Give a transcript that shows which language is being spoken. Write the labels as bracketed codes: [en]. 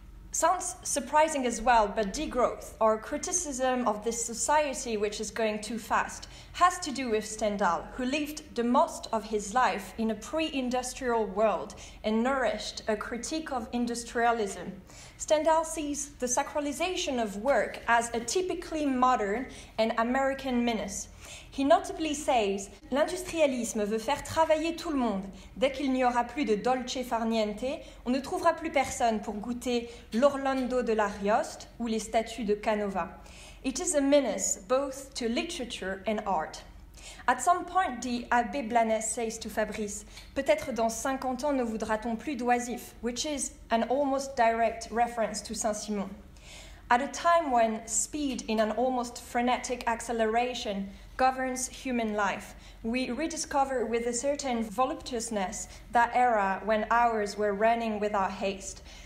[en] Sounds surprising as well, but degrowth, or criticism of this society which is going too fast, has to do with Stendhal, who lived the most of his life in a pre-industrial world and nourished a critique of industrialism. Stendhal sees the sacralization of work as a typically modern and American menace. [fr] He notably says, "L'industrialisme veut faire travailler tout le monde. Dès qu'il n'y aura plus de dolce far niente, on ne trouvera plus personne pour goûter l'Orlando de l'Arioste ou les statues de Canova." [en] It is a menace both to literature and art. At some point, the Abbé Blanes says to Fabrice, [fr] "Peut-être dans 50 ans ne voudra-t-on plus d'oisif," [en] which is an almost direct reference to Saint-Simon. At a time when speed in an almost frenetic acceleration governs human life, we rediscover with a certain voluptuousness that era when hours were running without haste.